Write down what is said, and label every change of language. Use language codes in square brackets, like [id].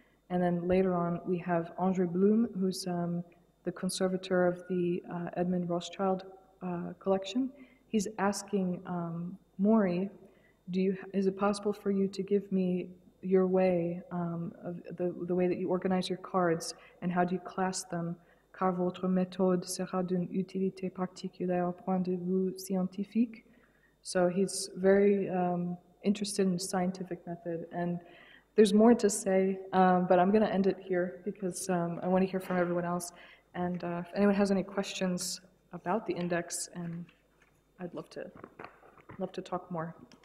[en] And then later on, we have André Blum, who's the conservator of the Edmund Rothschild collection. He's asking Maury, is it possible for you to give me your way, the way that you organize your cards, and how do you class them? [fr] Car votre méthode sera d'une utilité particulière au point de vue scientifique. [en] So he's very interested in the scientific method. And there's more to say, but I'm going to end it here because I want to hear from everyone else. And if anyone has any questions about the index, and I'd love to talk more.